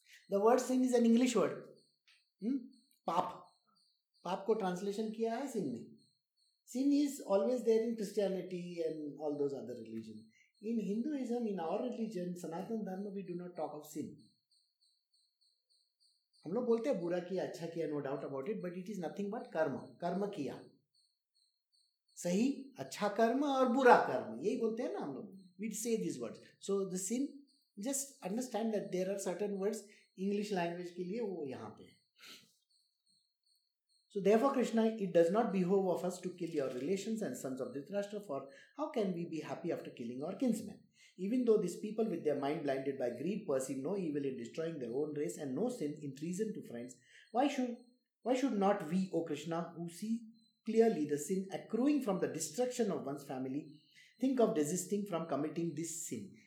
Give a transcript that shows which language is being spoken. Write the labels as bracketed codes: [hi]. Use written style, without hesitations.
[en] The word sin is an English word. Pap. [hi] Pap ko translation kiya hai sin mein. [en] Sin is always there in Christianity and all those other religions. In Hinduism, in our religion, Sanatana Dharma, we do not talk of sin. [hi] हम लोग बोलते हैं बुरा किया, अच्छा किया, [en] no doubt about it, but it is nothing but karma, [hi] कर्म किया, सही अच्छा कर्म और बुरा कर्म, यही बोलते हैं ना हम लोग, [en] We say this words. So the sin, just understand that there are certain words English language [hi] के लिए वो यहाँ पे. [en] So therefore Krishna, it does not behove of us to kill your relations and sons of Dhritarashtra, for how can we be happy after killing our kinsman. Even though these people with their mind blinded by greed perceive no evil in destroying their own race and no sin in treason to friends, why should not we, O Krishna, who see clearly the sin accruing from the destruction of one's family, think of desisting from committing this sin?